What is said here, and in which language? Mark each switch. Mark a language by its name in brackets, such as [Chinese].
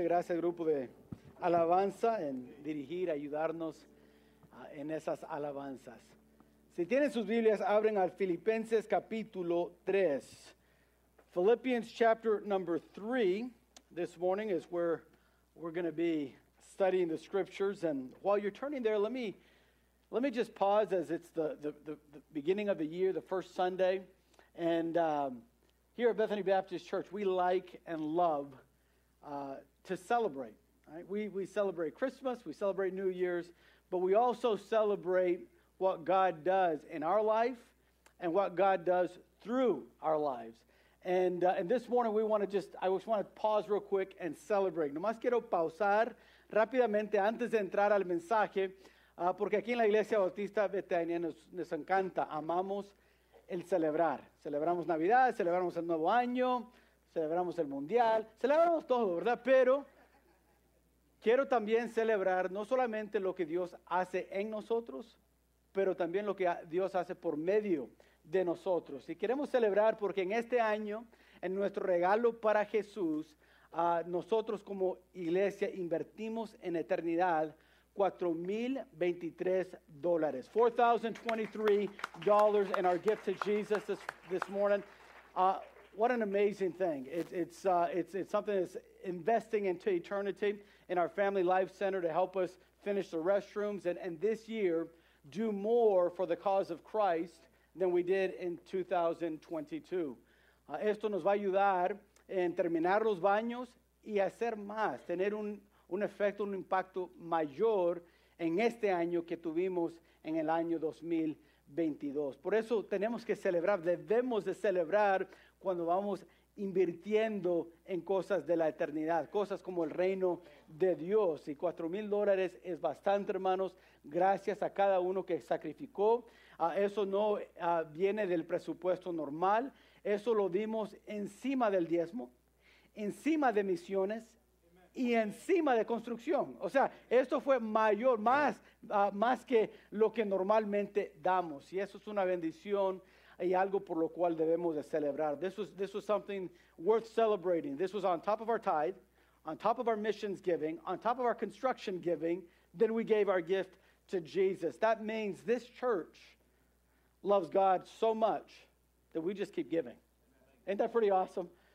[Spanish] Gracias, grupo de alabanza, en dirigir, ayudarnos en esas alabanzas. Si tienen sus Biblias, abren al Filipenses capítulo 3. [English] Philippians chapter number 3 this morning is where we're going to be studying the scriptures. And while you're turning there, let me just pause, as it's the beginning of the year, the first Sunday. And here at Bethany Baptist Church, we like and love to celebrate. Right? We celebrate Christmas, we celebrate New Year's, but we also celebrate what God does in our life and what God does through our lives. And this morning, I just want to pause real quick and celebrate. [Spanish] Nomás quiero pausar rápidamente antes de entrar al mensaje, porque aquí en la Iglesia Bautista Betania nos encanta, amamos el celebrar. Celebramos Navidad, celebramos el Nuevo Año, celebramos el Mundial, celebramos todo, ¿verdad? Pero quiero también celebrar no solamente lo que Dios hace en nosotros, pero también lo que Dios hace por medio de nosotros. Y queremos celebrar porque en este año, en nuestro regalo para Jesús, nosotros como iglesia invertimos en eternidad $4,023. [English] $4,023 in our gift to Jesus this morning. What an amazing thing. It's something that's investing into eternity in our Family Life Center to help us finish the restrooms and this year do more for the cause of Christ than we did in 2022. [Spanish] Esto nos va a ayudar en terminar los baños y hacer más, tener un efecto, un impacto mayor en este año que tuvimos en el año 2022. Por eso tenemos que celebrar, debemos de celebrar cuando vamos invirtiendo en cosas de la eternidad, cosas como el reino de Dios. Y $4,000 es bastante, hermanos, gracias a cada uno que sacrificó. Eso no viene del presupuesto normal, eso lo dimos encima del diezmo, encima de misiones y encima de construcción. O sea, esto fue mayor, más que lo que normalmente damos. Y eso es una bendición y algo por lo cual debemos de celebrar. [English] This was something worth celebrating. This was on top of our tithe, on top of our missions giving, on top of our construction giving. Then we gave our gift to Jesus. That means this church loves God so much that we just keep giving. Ain't that pretty awesome?